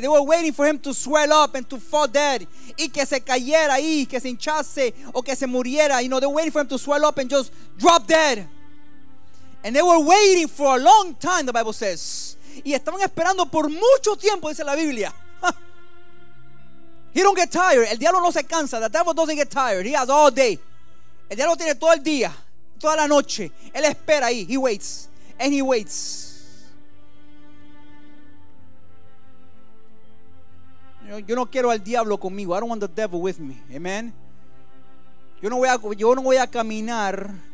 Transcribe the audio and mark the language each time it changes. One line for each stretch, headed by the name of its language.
English: They were waiting for him to swell up and to fall dead.
Spanish: Y que se cayera ahí, que se hinchase o que se muriera.
English: You know, they were waiting for him to swell up and just drop dead. And they were waiting for a long time, the Bible says.
Spanish: Y estaban esperando por mucho tiempo, dice la Biblia.
English: He don't get tired.
Spanish: El diablo no se cansa.
English: The devil doesn't get tired. He has all day.
Spanish: El diablo tiene todo el día, toda la noche. Él espera ahí.
English: He waits. And he waits.
Spanish: Yo no quiero al diablo conmigo.
English: I don't want the devil with me.
Spanish: Amen. Yo no voy a caminar.